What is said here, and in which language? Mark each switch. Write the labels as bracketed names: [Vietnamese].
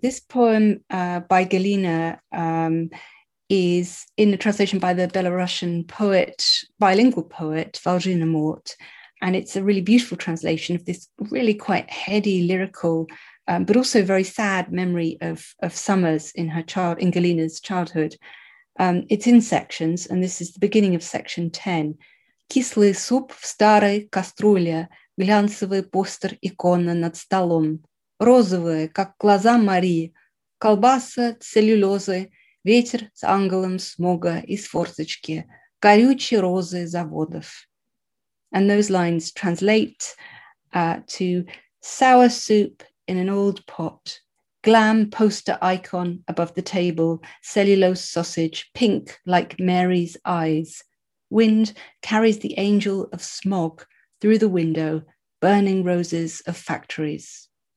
[English] This poem by Galina is in a translation by the Belarusian poet, bilingual poet, Valjina Mort. And it's a really beautiful translation of this really quite heady, lyrical, but also very sad memory of summers in Galina's childhood. It's in sections, and this is the beginning of section 10. [Russian] Кислый суп в старой кастрюле, глянцевый постер икона над столом. Розовые, как глаза Марии, колбаса, целлюлозы, ветер с ангелом смога из форточки, горючие розы заводов. [English] And those lines translate to sour soup in an old pot, glam poster icon above the table, cellulose sausage, pink like Mary's eyes. Wind carries the angel of smog through the window, burning roses of factories.